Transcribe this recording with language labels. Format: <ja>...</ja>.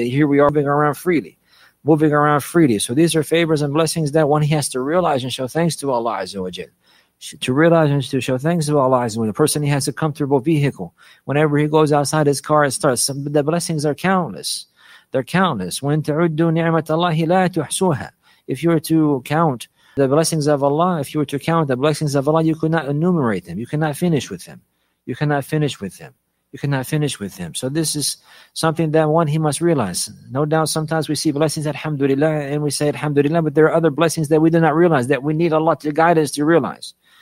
<en>And here we are moving around freely. So these are favors and blessings that one has to realize and show thanks to Allah Azza wa Jal. to realize and to show thanks to Allah when the person, he has a comfortable vehicle. Whenever he goes outside his car, it starts. The blessings are countless. They're countless.</en> <ar>When تَعُدُّ نِعْمَةَ اللَّهِ لَا تُحْصُوهَا.</ar> <en>If you were to count the blessings of Allah, if you were to count the blessings of Allah, you could not enumerate them. You cannot finish with them. You cannot finish with them. You cannot finish with them. So this is something that one, he must realize. No doubt sometimes we see blessings, alhamdulillah, and we say alhamdulillah, but there are other blessings that we do not realize, that we need Allah to guide us to realize.</en>